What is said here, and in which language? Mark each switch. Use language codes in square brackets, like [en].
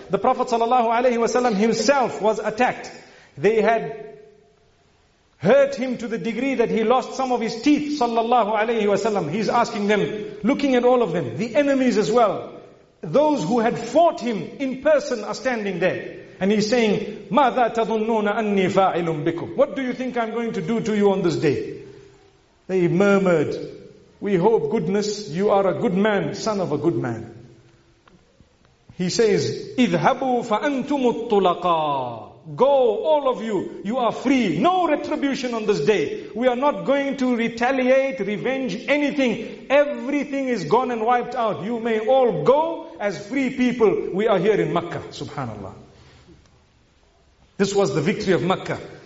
[en] The Prophet ﷺ himself was attacked. They had hurt him to the degree that he lost some of his teeth, sallallahu alayhi wasallam. He's asking them, looking at all of them, the enemies as well, those who had fought him in person are standing there. And he's saying, [ar] مَاذَا تَظُنُّونَ أَنِّي فَاعِلٌ بِكُمْ. [en] What do you think I'm going to do to you on this day? They murmured, we hope goodness, you are a good man, son of a good man. He says, [ar] اِذْهَبُوا فَأَنْتُمُ الطُّلَقَاءُ. [en] Go, all of you, you are free. No retribution on this day. We are not going to retaliate, revenge, anything. Everything is gone and wiped out. You may all go as free people. We are here in Makkah, subhanallah. This was the victory of Makkah.